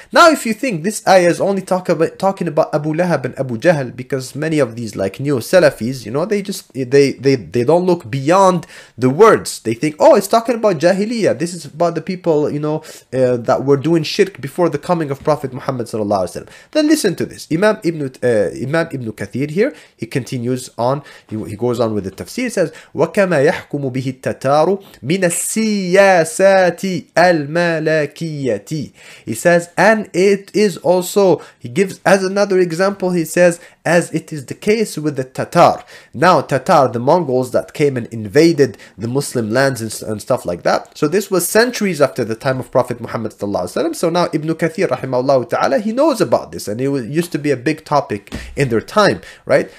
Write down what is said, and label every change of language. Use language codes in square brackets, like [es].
[en] Now, if you think this ayah is only talking about Abu Lahab and Abu Jahl, because many of these, like, neo-Salafis, you know, they don't look beyond the words. They think, oh, it's talking about jahiliyyah. This is about the people, you know, that were doing shirk before the coming of Prophet Muhammad sallallahu alaihi wasallam. Then listen to this. Imam Ibn Kathir here, he continues on, he goes on with the tafsir. He says, [ar] وَكَمَا يَحْكُمُ بِهِ التَّتَارُ مِنَ السِّيَاسَاتِ الْمَالَكِ. [en] He says, and it is also, he gives as another example, he says, as it is the case with the Tatar. Now, Tatar, the Mongols that came and invaded the Muslim lands and stuff like that. So this was centuries after the time of Prophet Muhammad sallallahu alaihi wasallam. So now Ibn Kathir, rahimahullah ta'ala, he knows about this, and it used to be a big topic in their time, right?